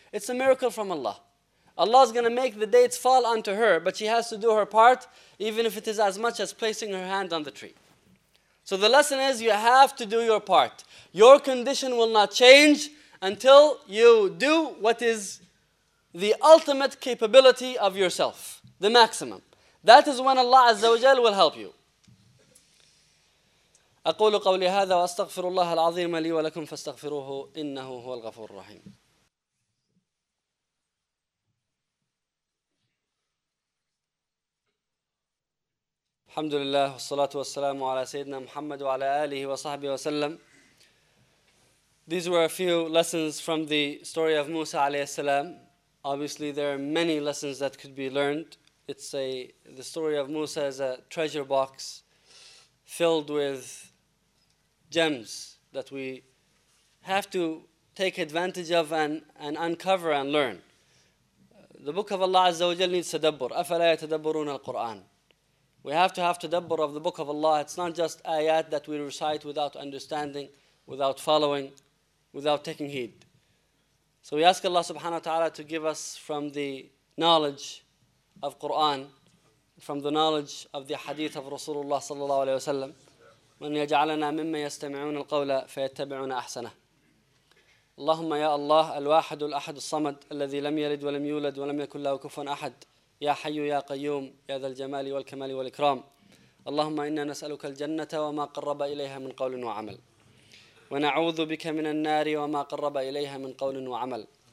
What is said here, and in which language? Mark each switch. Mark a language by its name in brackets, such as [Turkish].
[English] It's a miracle from Allah. Allah is going to make the dates fall onto her, but she has to do her part, even if it is as much as placing her hand on the tree. So the lesson is, you have to do your part. Your condition will not change until you do what is the ultimate capability of yourself, the maximum. That is when Allah Azza wa Jal will help you. [Arabic] أقول قولي هذا وأستغفر الله العظيم لي ولكم فاستغفروه إنه هو الغفور الرحيم. الحمد لله والصلاة والسلام على سيدنا محمد وعلى آله وصحبه وسلم. [English] These were a few lessons from the story of Musa [Arabic] عليه السلام. [English] Obviously, there are many lessons that could be learned. The story of Musa is a treasure box filled with gems that we have to take advantage of and uncover and learn. The book of Allah Azza wa Jal needs tadabbur. [Arabic] أَفَلَا يَتَدَبَّرُونَ الْقُرْآنَ. [English] We have to have tadabbur of the book of Allah. It's not just ayat that we recite without understanding, without following, without taking heed. So we ask Allah subhanahu wa ta'ala to give us from the knowledge of Quran, from the knowledge of the hadith of Rasulullah sallallahu alayhi wa sallam, [Arabic] وَنْ يَجْعَلَنَا مِمَّا يَسْتَمِعُونَ الْقَوْلَ فَيَتَّبِعُونَ أَحْسَنَهُ. اللهم يا الله الواحد الأحد الصمد الذي لم يلد ولم يولد ولم يكن له كفوا أحد. يا حي يا قيوم يا ذا الجمال والكمال والإكرام. اللهم إنا نسألك الجنة وما قرب إليها من قول وعمل. ونعوذ بك من النار وما قرب إليها من قول وعمل.